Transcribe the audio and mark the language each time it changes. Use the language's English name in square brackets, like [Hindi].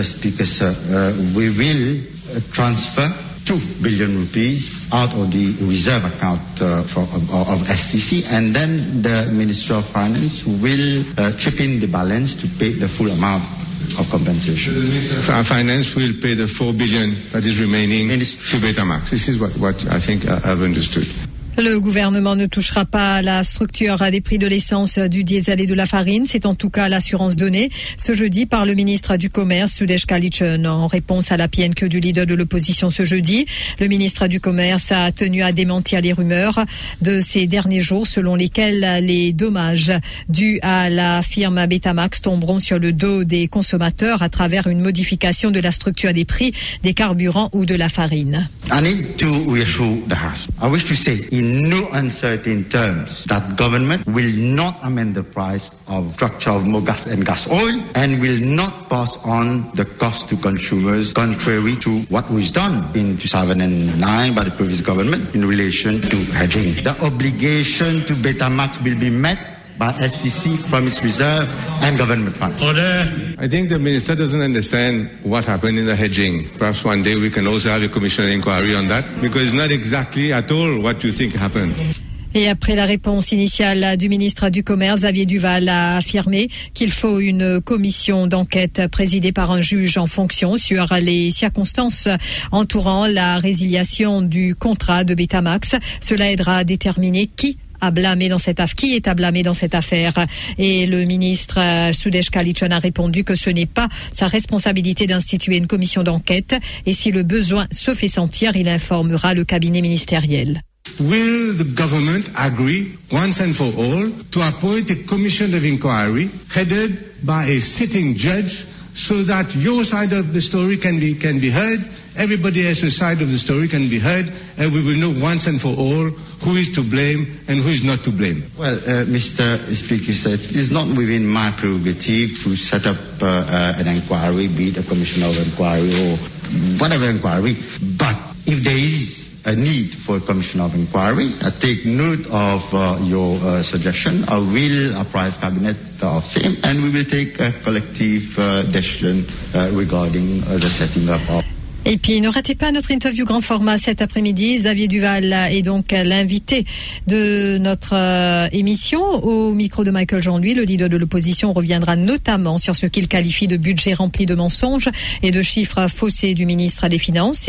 [English] Speaker, sir, we will transfer 2 billion rupees out of the reserve account of STC, and then the Ministry of Finance will chip in the balance to pay the full amount of compensation. Our finance will pay the 4 billion that is remaining to Betamax. This is what I think I've understood. [French] Le gouvernement ne touchera pas la structure des prix de l'essence, du diesel et de la farine. C'est en tout cas l'assurance donnée ce jeudi par le ministre du Commerce, Sudesh Kalichun, en réponse à la PNQ du leader de l'opposition ce jeudi. Le ministre du Commerce a tenu à démentir les rumeurs de ces derniers jours selon lesquelles les dommages dus à la firme Betamax tomberont sur le dos des consommateurs à travers une modification de la structure des prix des carburants ou de la farine. [English] I need to reassure the House. I wish to say in no uncertain terms that government will not amend the price of structure of Mogas and gas oil and will not pass on the cost to consumers contrary to what was done in 2009 by the previous government in relation to hedging. The obligation to Betamax will be met by STC from its reserve and government fund. Order. I think the minister doesn't understand what happened in the hedging. Perhaps one day we can also have a commission inquiry on that, because it's not exactly at all what you think happened. [French] Et après la réponse initiale du ministre du Commerce, Xavier Duval a affirmé qu'il faut une commission d'enquête présidée par un juge en fonction sur les circonstances entourant la résiliation du contrat de Betamax. Cela aidera à déterminer qui est à blâmer dans cette affaire. Et le ministre Sudesh Kalichan a répondu que ce n'est pas sa responsabilité d'instituer une commission d'enquête. Et si le besoin se fait sentir, il informera le cabinet ministériel. [English] Will the government agree once and for all to appoint a commission of inquiry headed by a sitting judge so that your side of the story can be heard, everybody else's side of the story can be heard, and we will know once and for all who is to blame and who is not to blame? Well, Mr. Speaker, it is not within my prerogative to set up an inquiry, be it a commission of inquiry or whatever inquiry, but if there is a need for a commission of inquiry, I take note of your suggestion. I will apprise cabinet of same, and we will take a collective decision regarding the setting up of. [French] Et puis, ne ratez pas notre interview grand format cet après-midi. Xavier Duval est donc l'invité de notre émission. Au micro de Michael Jean-Louis, le leader de l'opposition reviendra notamment sur ce qu'il qualifie de budget rempli de mensonges et de chiffres faussés du ministre des Finances.